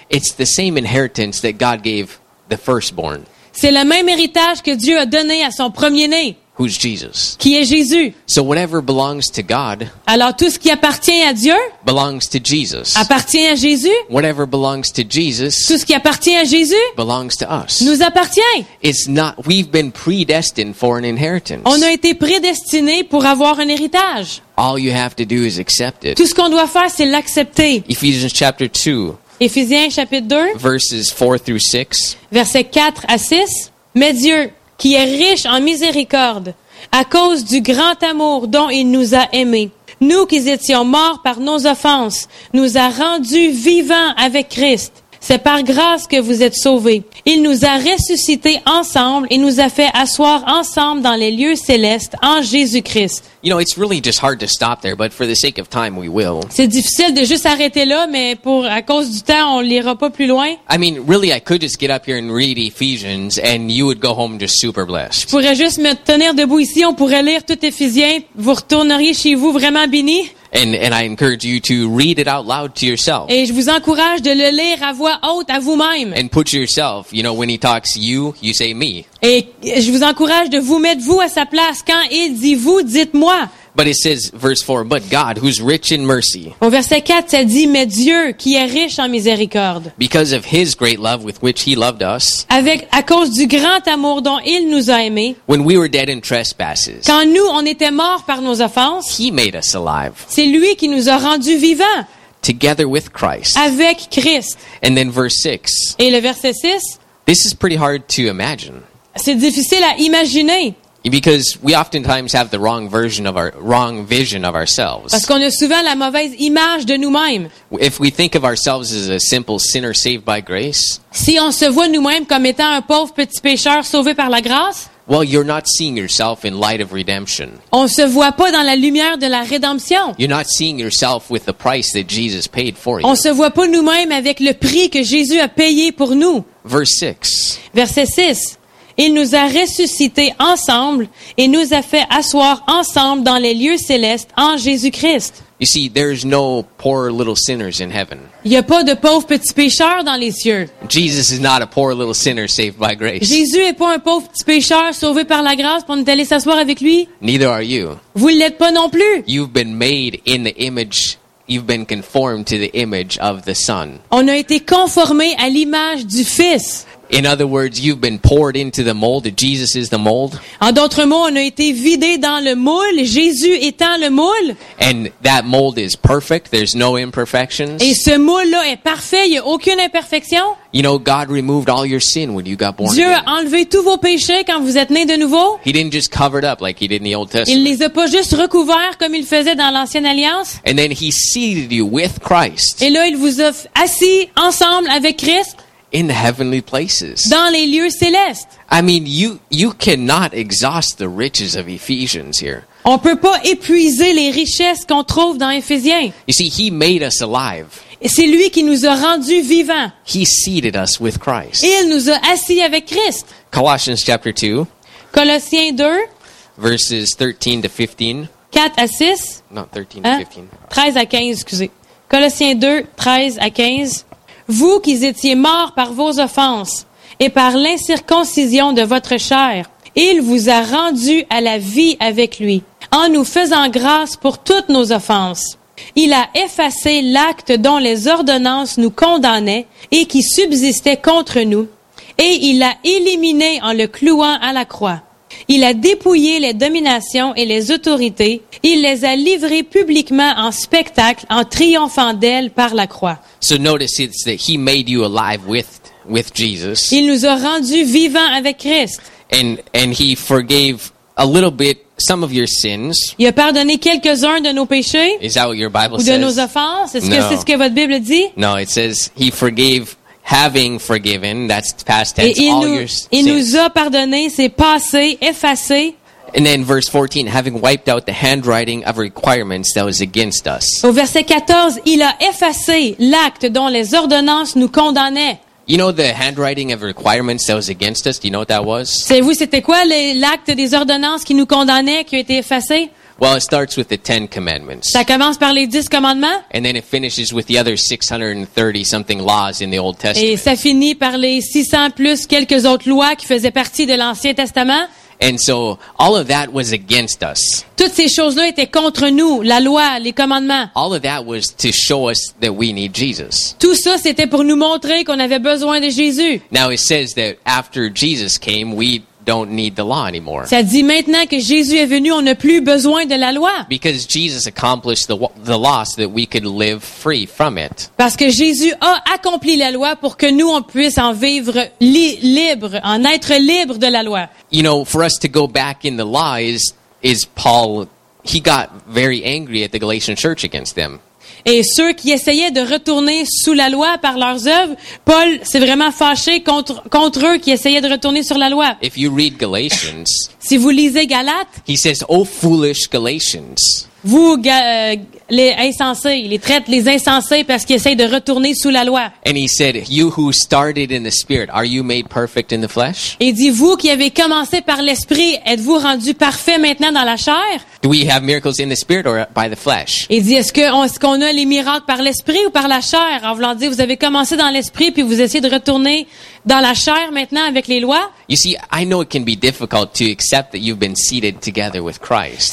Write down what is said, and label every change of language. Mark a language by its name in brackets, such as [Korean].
[English] It's the same inheritance that God gave the firstborn. [French] C'est le même héritage que Dieu a donné à son premier-né. [English] Who's Jesus? [French] Qui est Jésus? [English] So whatever belongs to God. [French] Alors tout ce qui appartient à Dieu? [English] Belongs to Jesus. [French] Appartient à Jésus? [English] Whatever belongs to Jesus. [French] Tout ce qui appartient à Jésus? [English] Belongs to us. [French] Nous appartient. [English] It's not. We've been predestined for an inheritance. [French] On a été prédestinés pour avoir un héritage. [English] All you have to do is accept it. [French] Tout ce qu'on doit faire, c'est l'accepter. [English] Ephesians chapter 2. [French] Éphésiens chapitre 2. [English] Verses 4 through 6. [French] Versets 4 à 6. Mais Dieu qui est riche en miséricorde, à cause du grand amour dont il nous a aimés. Nous qui étions morts par nos offenses, nous a rendus vivants avec Christ. C'est par grâce que vous êtes sauvés. Il nous a ressuscités ensemble et nous a fait asseoir ensemble dans les lieux célestes en Jésus-Christ. [English] You know, it's really just hard to stop there, but for the sake of time, we will. [French] C'est difficile de juste arrêter là, mais pour à cause du temps, on l'ira pas plus loin. [English] I mean, really, I could just get up here and read Ephesians, and you would go home just super blessed. [French] Je pourrais juste me tenir debout ici, on pourrait lire tout Éphésiens, vous retourneriez chez vous vraiment béni. [English] And I encourage you to read it out loud to yourself. [French] Et je vous encourage de le lire à voix haute à vous-même. [English] And put yourself, you know, when he talks you, you say me. [French] Et je vous encourage de vous mettre vous à sa place. Quand il dit vous, dites-moi. [English] But it says, verse 4, but God, who's rich in mercy. [French] Au verset 4, ça dit, mais Dieu, qui est riche en miséricorde. [English] Because of his great love with which he loved us. [French] Avec, à cause du grand amour dont il nous a aimés. [English] When we were dead in trespasses. [French] Quand nous, on était morts par nos offenses. [English] He made us alive. [French] C'est lui qui nous a rendus vivants. [English] Together with Christ. [French] Avec Christ. [English] And then verse 6. [French] Et le verset 6. [English] This is pretty hard to imagine. [French] C'est difficile à imaginer. [English] Because we oftentimes have the wrong vision of ourselves. [French] Parce qu'on a souvent la mauvaise image de nous-mêmes. [English] If we think of ourselves as a simple sinner saved by grace. [French] Si on se voit nous-mêmes comme étant un pauvre petit pécheur sauvé par la grâce. [English] Well, you're not seeing yourself in light of redemption. [French] On se voit pas dans la lumière de la rédemption. [English] You're not seeing yourself with the price that Jesus paid for you. [French] On se voit pas nous-mêmes avec le prix que Jésus a payé pour nous. [English] Verse 6. [French] Verset 6. Il nous a ressuscités ensemble et nous a fait asseoir ensemble dans les lieux célestes en Jésus-Christ. [English] You see, there's no poor little sinners in heaven. [French] Il n'y a pas de pauvres petits pécheurs dans les cieux. [English] Jesus is not a poor little sinner saved by grace. [French] Jésus n'est pas un pauvre petit pécheur sauvé par la grâce pour nous aller s'asseoir avec lui. [English] Neither are you. [French] Vous ne l'êtes pas non plus. [English] You've been made in the image. You've been conformed to the image of the Son. [French] On a été conformé à l'image du Fils. [English] In other words, you've been poured into the mold. Jesus is the mold. [French] En d'autres mots, on a été vidé dans le moule, Jésus étant le moule. [English] And that mold is perfect. There's no imperfections. [French] Et ce moule-là est parfait. Il n'y a aucune imperfection. [English] You know, God removed all your sin when you got born [French] Dieu [English] again. [French] A enlevé tous vos péchés quand vous êtes nés de nouveau. [English] He didn't just cover it up like he did in the Old Testament. [French] Il les a pas juste recouverts comme il faisait dans l'Ancienne Alliance. [English] And then he seated you with Christ. [French] Et là, il vous a assis ensemble avec Christ. [English] In the heavenly places. [French] Dans les lieux célestes. [English] I mean, you cannot exhaust the riches of Ephesians here. [French] On peut pas épuiser les richesses qu'on trouve dans Éphésiens. [English] You see, he made us alive. [French] C'est lui qui nous a rendus vivants. [English] He seated us with Christ. [French] Il nous a assis avec Christ. [English] Colossians chapter 2. [French] Colossiens 2. [English] Verses 13 to 15. [French] 4 à 6. Non, 13 hein? [English] to 15. [French] 13 à 15, excusez. Colossiens 2, 13 à 15. Vous qui étiez morts par vos offenses et par l'incirconcision de votre chair, il vous a rendus à la vie avec lui, en nous faisant grâce pour toutes nos offenses. Il a effacé l'acte dont les ordonnances nous condamnaient et qui subsistait contre nous, et il l'a éliminé en le clouant à la croix. Il a dépouillé les dominations et les autorités, il les a livrées publiquement en spectacle en triomphant d'elles par la croix. [English] So notice it's that he made you alive with Jesus. [French] Il nous a rendus vivants avec Christ. [English] And he forgave a little bit some of your sins. [French] Il a pardonné quelques-uns de nos péchés. [English] Is that what your Bible says? [French] Ou de nos offenses? Est-ce que c'est ce que votre Bible dit? [English] No, it says he forgave having forgiven. That's past tense. [French] Il nous a pardonné, c'est passé, effacé. [English] And then verse 14, having wiped out the handwriting of requirements that was against us. [French] Au verset 14, il a effacé l'acte dont les ordonnances nous condamnaient. [English] You know the handwriting of requirements that was against us? Do you know what that was? [French] Savez-vous c'était quoi l'acte des ordonnances qui nous condamnaient, qui a été effacé? [English] Well, it starts with the Ten Commandments. [French] Ça commence par les dix commandements. [English] And then it finishes with the other 630 something laws in the Old Testament. [French] Et ça finit par les 600 plus quelques autres lois qui faisaient partie de l'Ancien Testament. [English] And so all of that was against us. [French] Toutes ces choses-là étaient contre nous, la loi, les commandements. [English] All of that was to show us that we need Jesus. [French] Tout ça c'était pour nous montrer qu'on avait besoin de Jésus. [English] Now it says that after Jesus came, we don't need the law anymore. [French] Ça dit maintenant que Jésus est venu, on n'a plus besoin de la loi. [English] Because Jesus accomplished the law so that we could live free from it. [French] Parce que Jésus a accompli la loi pour que nous on puisse en vivre libre, en être libre de la loi. [English] You know, for us to go back in the law is Paul, he got very angry at the Galatian church against them. [French] Et ceux qui essayaient de retourner sous la loi par leurs œuvres, Paul s'est vraiment fâché contre eux qui essayaient de retourner sur la loi. [English] If you read Galatians, [French] si vous lisez Galates, [English] he says, "Oh foolish Galatians." [French] Vous, les insensés, il les traite les insensés parce qu'ils essayent de retourner sous la loi. [English] And he said, "You who started in the Spirit, are you made perfect in the flesh?" [French] Et dit, vous qui avez commencé par l'esprit, êtes-vous rendu parfait maintenant dans la chair? [English] Do we have miracles in the Spirit or by the flesh? [French] Et dit, est-ce qu'on a les miracles par l'esprit ou par la chair? En voulant dire, vous avez commencé dans l'esprit puis vous essayez de retourner dans la chair maintenant avec les lois. [English] You see, I know it can be difficult to accept that you've been seated together with Christ.